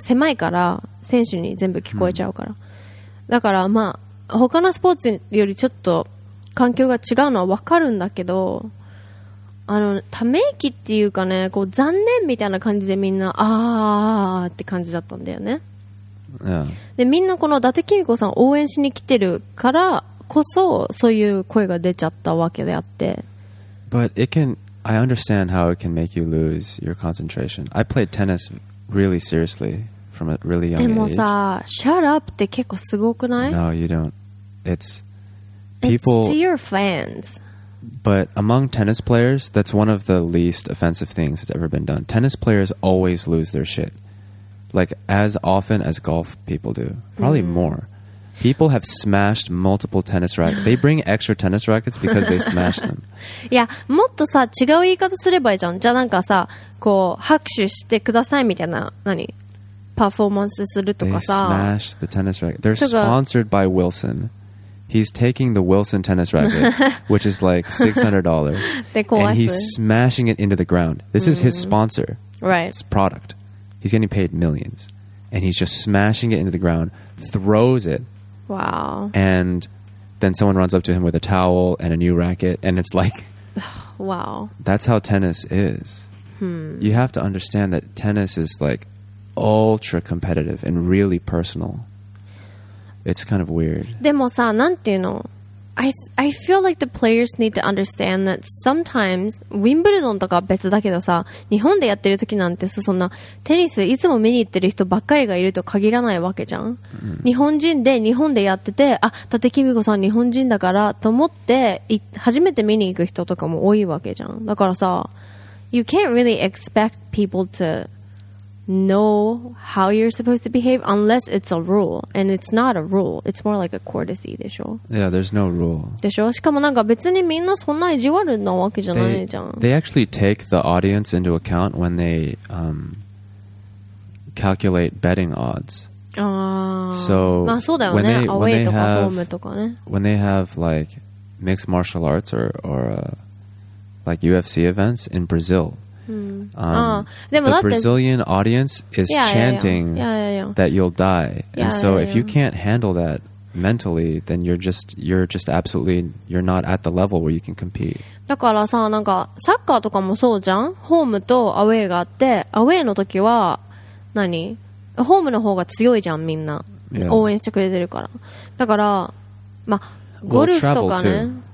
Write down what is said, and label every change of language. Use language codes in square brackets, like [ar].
[ja] 狭いから選手に全部聞こえちゃうから。だからまあ他のスポーツよりちょっと環境が違うのはわかるんだけど。ため息っていうかね、こう残念みたいな感じでみんなあーって感じだったんだよね。 [en] Yeah. [ja] でみんなこの伊達公子さん応援しに来てるからこそそういう声が出ちゃったわけであって。 [en] But I understand how it can make you lose your concentration. I played tennis really seriously from a really young age. [ja] でもさ、 [en] shut up [ja] って結構すごくない？ [en] No, you don't. It's people. It's to your fans. But among tennis players, that's one of the least offensive things that's ever been done. Tennis players always lose their shit. Like, as often as golf people do. Probably more. People have smashed multiple tennis rackets. They bring extra tennis rackets because they smash them. Yeah, [ja] もっとさ、違う言い方すればいいじゃん。じゃあなんかさ、こう、拍手してくださいみたいな、何? パフォーマンスするとかさ。 [en] They smash the tennis racket. They're sponsored by Wilson. He's taking the Wilson tennis racket, which is like $600, and he's smashing it into the ground. This is his sponsor, right? His product. He's getting paid millions, and he's just smashing it into the ground, throws it. Wow. And then someone runs up to him with a towel and a new racket, and it's like, wow. That's how tennis is. You have to understand that tennis is like ultra competitive and really personal. It's kind of weird. [ja] でもさ、なんていうの? [en] I feel like the players need to understand that sometimes, [ja] ウィンブルドンとかは別だけどさ、日本でやってる時なんてさ、そんなテニスいつも見に行ってる人ばっかりがいると限らないわけじゃん。日本人で日本でやってて、あ、伊達公子さん日本人だからと思って、初めて見に行く人とかも多いわけじゃん。だからさ、 [en] you can't really expect people to know how you're supposed to behave unless it's a rule. And it's not a rule. It's more like a courtesy, [ja] でしょ? [en] Yeah, there's no rule. [ja] でしょ? しかもなんか別にみんなそんな意地悪なわけじゃないじゃん。 [en] They actually take the audience into account when they calculate betting odds. So, [ja] まあそうだよね。 [en] When they, when they have, home [ja] とかね。 [en] When they have like mixed martial arts or like UFC events in Brazil,the Brazilian audience is chanting that you'll die. And so if you can't handle that mentally, then you're just absolutely, you're not at the level where you can compete. [ja] だからさ、なんかサッカーとかもそうじゃん。ホームとアウェーがあって、アウェーの時は何？ホームの方が強いじゃん、みんな。応援してくれてるから。だから、まあ、ゴルフとかね。